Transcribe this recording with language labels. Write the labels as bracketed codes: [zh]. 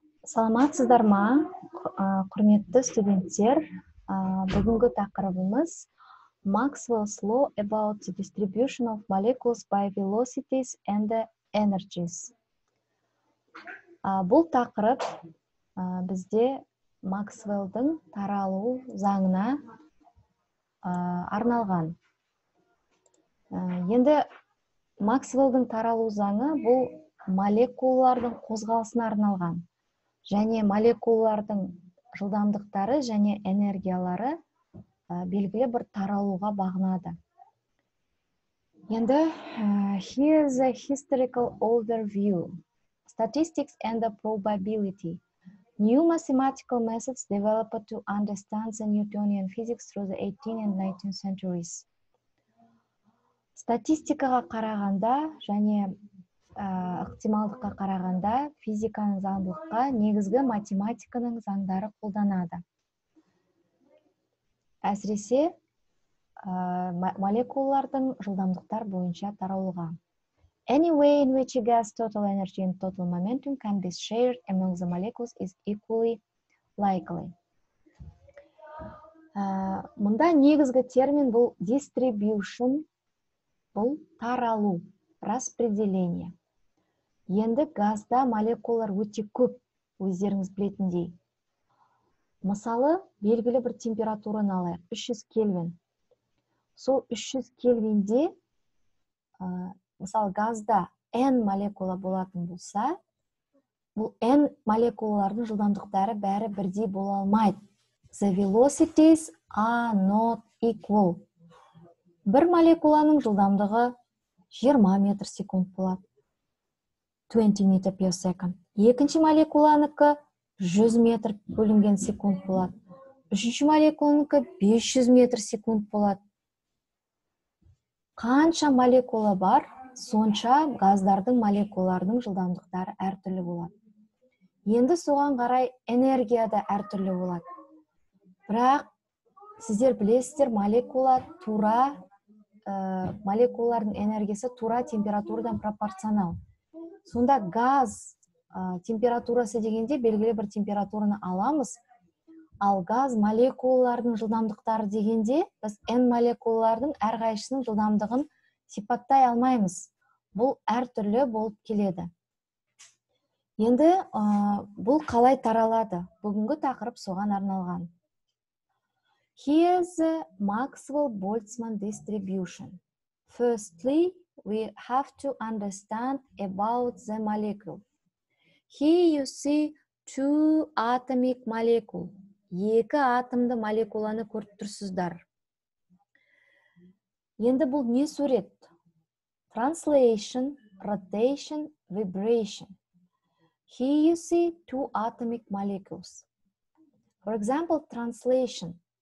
[kk] Саламатсыздар ма, құрметті студенттер. Бүгінгі тақырыбымыз [en] Maxwell's Law about the distribution of molecules by velocities and the energies. [kk] Бұл тақырып бізде Maxwell-дың таралу заңына арналған. Енді Maxwell-дың таралу заңы бұл молекулалардың қозғалысына арналған. Және молекулалардың жылдамдықтары және энергиялары белгілі бір таралуға бағынады. Енді, [en] here's a historical overview. Statistics and the probability. New mathematical methods developed to understand the Newtonian physics through the 18th and 19th centuries. [kk] Статистикаға қарағанда және ықтималдыққа қарағанда физиканың заңдылыққа негізгі математиканың заңдары қолданады. Әсіресе молекулалардың жылдамдықтар бойынша таралуға. [en] Any way in which a gas total energy and total momentum can be shared among the molecules is equally likely. [kk] Мұнда негізгі термин бұл distribution, бұл таралу, [ru] распределение. [kk] Енді газда молекулалар өте көп, өздеріңіз білетіндей. Мысалы, белгілі бір температураны алайық, 300 Кельвин. Сол 300 Кельвинде, мысалы, газда N молекула болатын болса, бұл N молекулалардың жылдамдықтары бәрі бірдей бола алмайды. [en] The velocities are not equal. [kk] Бір молекуланың жылдамдығы 20 метр секунд болады. 20 метр [en] per second. [kk] Екінші молекуланыкі 100 метр бөлінген секунд болады. Үшінші молекуланыкі 500 метр секунд болады. Қанша молекула бар, сонша газдардың молекулардың жылдамдықтары әртүрлі болады. Енді соған қарай энергия да әртүрлі болады. Бірақ сіздер білесіздер, молекула тура, молекулалардың энергиясы тура температурадан пропорционал. Сонда газ температурасы дегенде белгілі бір температураны аламыз, ал газ молекулалардың жылдамдықтары дегенде біз N молекулалардың әрқайшысының жылдамдығын сипаттай алмаймыз. Бұл әртүрлі болып келеді. Енді бұл қалай таралады? Бүгінгі тақырып соған арналған. [en] Here's Maxwell-Boltzmann distribution. Firstly, we have to understand about the molecule. Here you see two atomic molecule. [kk] Екі атомды молекуланы көріп тұрсыздар. Енді бұл не сурет? [en] Translation, rotation, vibration. Here you see two atomic molecules. For example, translation.